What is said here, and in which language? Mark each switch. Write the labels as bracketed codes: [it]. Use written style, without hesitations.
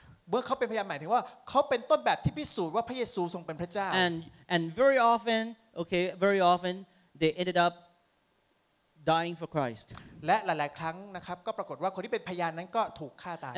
[th] เมื่อเขาเป็นพยานหมายถึงว่าเขาเป็นต้นแบบที่พิสูจน์ว่าพระเยซูทรงเป็นพระเจ้า [en] and very often okay very often they ended up dying for Christ [th] และหลายๆครั้งนะครับก็ปรากฏว่าคนที่เป็นพยานนั้นก็ถูกฆ่าตาย